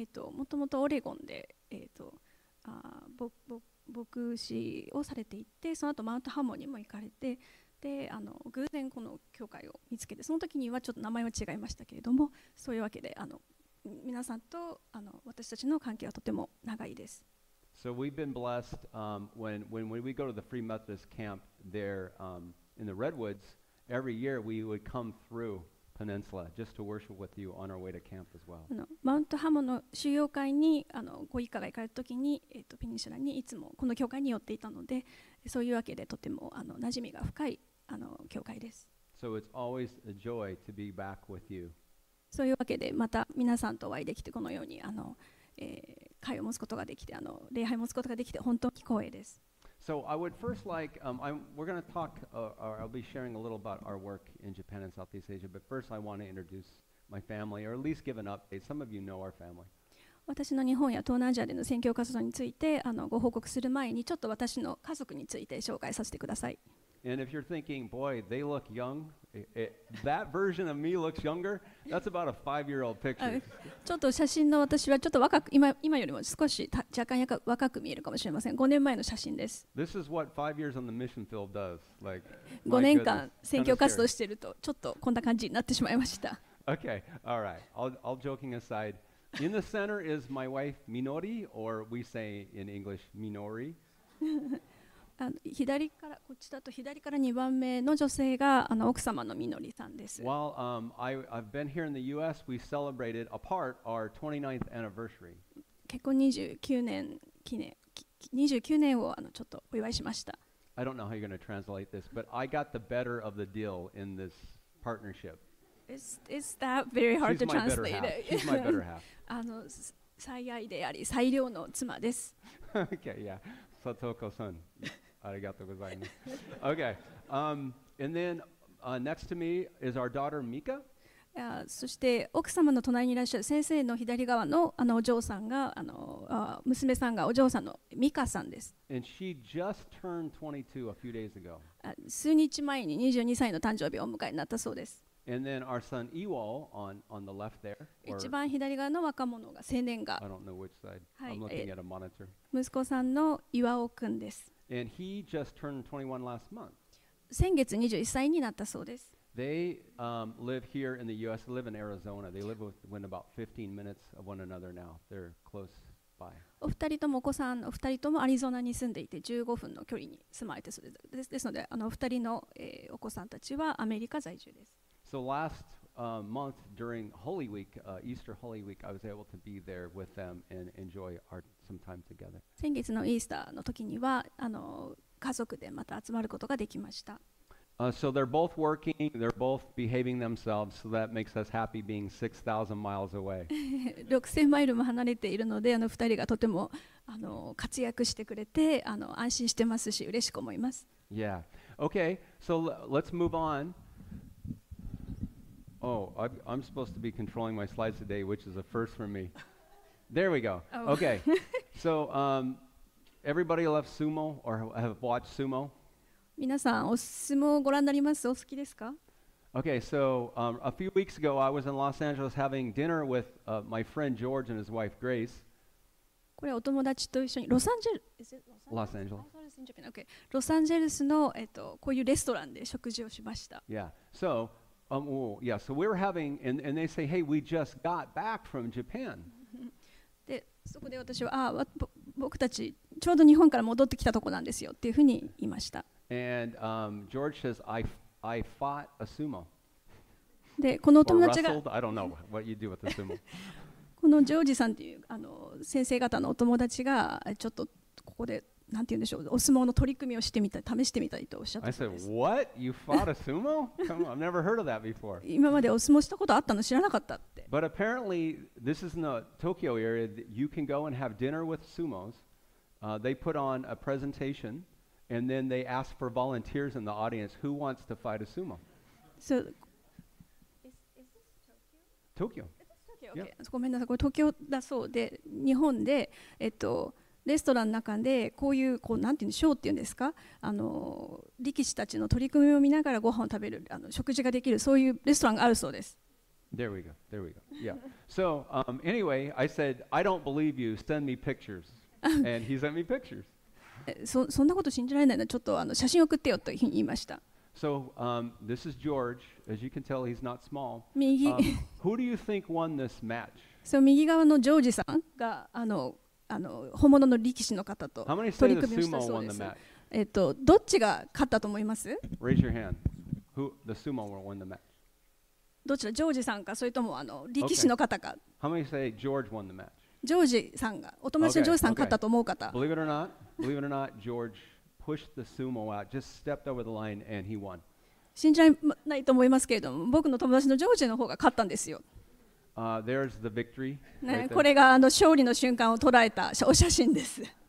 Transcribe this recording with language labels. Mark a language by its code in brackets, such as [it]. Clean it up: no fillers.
[ja] もともとオレゴンで牧師をされていて、その後マウントハーモニーも行かれて、で偶然この教会を見つけて、その時にはちょっと名前は違いましたけれども、そういうわけで皆さんと私たちの関係はとても長いです。 [en] So we've been blessed when we go to the Free Methodist camp there in the Redwoods, every year we would come through Peninsula just to worship with you on our way to camp as well. [ja] マウントハモの修行会にご一家が行かれた時に、ペニンシュラにいつもこの教会に寄っていたので、そういうわけでとても馴染みが深い教会です。 [en] So it's always a joy to be back with you. [ja] そういうわけでまた皆さんとお会いできて、このように会を持つことができて、礼拝を持つことができて本当に光栄です。 [en] So I would first like, we're going to talk, or I'll be sharing a little about our work in Japan and Southeast Asia, but first I want to introduce my family, or at least give an update. Some of you know our family. [ja] 私の日本や東南アジアでの宣教活動についてご報告する前に、ちょっと私の家族について紹介させてください。 [en] And if you're thinking, boy, they look young, that version of me looks younger, that's about a five-year-old picture. [ja] ちょっと写真の私はちょっと若く、今よりも少し若干若く見えるかもしれません。5年前の写真です。 [en] This is what 5 years on the mission field does. Like, [ja] 5年間宣教活動してると、ちょっとこんな感じになってしまいました。 [en] Okay, all right. All joking aside, in the center is my wife, Minori, or we say in English, Minori. [ja] 左からこっちだと左から2番目の女性が奥様のみのりさんです。 [en] Well, I've been here in the U.S. We celebrated apart our 29th anniversary. [ja] 結婚29年をちょっとお祝いしました。 [en] I don't know how you're going to translate this, but I got the better of the deal in this partnership. Is that very hard to translate? She's my better half. [ja] 最愛であり最良の妻です。 [en] Okay, yeah. Satoko-san, [ja] arigatou gozaimasu. [en] Okay, and then next to me is our daughter Mika. [ja] そして奥様の隣にいらっしゃる先生の左側のお嬢さんが娘さんがお嬢さんのミカさんです。 [en] And she just turned 22 a few days ago. [ja] 数日前に22歳の誕生日をお迎えになったそうです。 [en] And then our son Ewol on the left there. [ja] 一番左側の若者が青年が。 [en] I don't know which side. I'm looking at a monitor. [ja] 息子さんの岩尾くんです。 [en] And he just turned 21 last month. [ja] 先月21歳になったそうです。 [en] They live here in the U.S. They live in Arizona. They live within about 15 minutes of one another now. They're close by. [ja] お二人ともお子さん、お二人ともアリゾナに住んでいて15分の距離に住まれてそうです。ですのでお二人のお子さんたちはアメリカ在住です。 [en] So last month during Holy Week, Easter Holy Week, I was able to be there with them and enjoy some time together. [ja] 先月のイースターの時には家族でまた集まることができました。 [en] So they're both working, they're both behaving themselves, so that makes us happy being 6,000 miles away. [ja] 6000 マイルも離れているので、2人がとても活躍してくれて、安心してますし、嬉しく思います。 [en] Yeah. Okay. So let's move on. Oh, I'm supposed to be controlling my slides today, which is a first for me. There we go. Okay. So, everybody love sumo or have watched sumo? [ja] 皆さん、お相撲をご覧になります。お好きですか? [en] Okay, so, a few weeks ago, I was in Los Angeles having dinner with, my friend George and his wife, Grace. [ja] これ、お友達と一緒に、ロサンゼルス、 [en] Los Angeles. Okay. [ja] ロサンゼルスの、こういうレストランで食事をしました。 [en] Yeah, so, so we were having, and they say, hey, we just got back from Japan. [ja] で、そこで私は、僕たち、ちょうど日本から戻ってきたとこなんですよ、っていうふうに言いました。 [en] And George says, I fought a sumo. [ja] で、この友達が、 [en] or wrestled, I don't know what you do with a sumo. [ja] このジョージさんっていう先生方のお友達がちょっとここでなんて言うんでしょう、お相撲の取り組みをしてみたい、試してみたいとおっしゃってたんです。 [en] I said, what? You fought a sumo? Come on, I've never heard of that before. [ja] 今までお相撲したことあったの知らなかったって。 [en] But apparently, this is in the Tokyo area. You can go and have dinner with sumos. They put on a presentation. And then they ask for volunteers in the audience who wants to fight a sumo. So, is this Tokyo? Tokyo. [ja] ごめんなさい、これ東京だそうで、日本でレストランの中でこういうこうなんていうんでしょうっていうんですか、力士たちの取り組みを見ながらご飯を食べる食事ができるそういうレストランがあるそうです。 [en] There we go. There we go. Yeah. So, anyway, I said, I don't believe you. Send me pictures. And he sent me pictures. [ja] そんなこと信じられないな、ちょっと写真送ってよと言いました。 [en] So, this is George. As you can tell, he's not small. [ja] 右、 [en] who do you think won this match? [ja] So, 右側のジョージさんが本物の力士の方と取り組みをしたそうです。どっちが勝ったと思います? [en] Raise your hand. Who the sumo won the match? [ja] どちら、ジョージさんか、それとも力士の方か。 [en] Okay. How many say George won the match? [ja] ジョージさんが、お友達のジョージさん勝ったと思う方。 [en] Believe it or not, believe it or not, George pushed the sumo out, just stepped over the line, and he won. [ja] 信じないと思いますけれども、僕の友達のジョージの方が勝ったんですよ。 [en] There's the victory. [ja] これが勝利の瞬間を捉えたお写真です。